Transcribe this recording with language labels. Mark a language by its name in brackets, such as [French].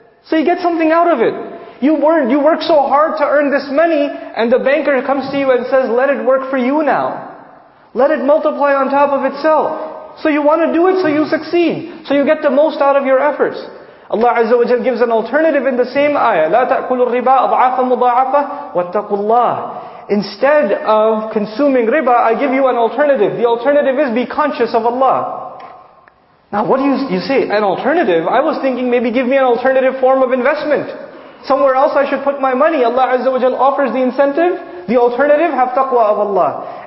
[English] So you get something out of it. You work so hard to earn this money, and the banker comes to you and says, let it work for you now. Let it multiply on top of itself. So you want to do it so you succeed. So you get the most out of your efforts. Allah Azza wa Jalla gives an alternative in the same ayah. [Arabic] لا تأكلوا الربا أضعافا مضاعفة واتقوا الله. [English] Instead of consuming riba, I give you an alternative. The alternative is be conscious of Allah. Now what do you say? An alternative? I was thinking maybe give me an alternative form of investment. Somewhere else I should put my money. Allah Azza wa Jal offers the incentive. The alternative, have taqwa of Allah.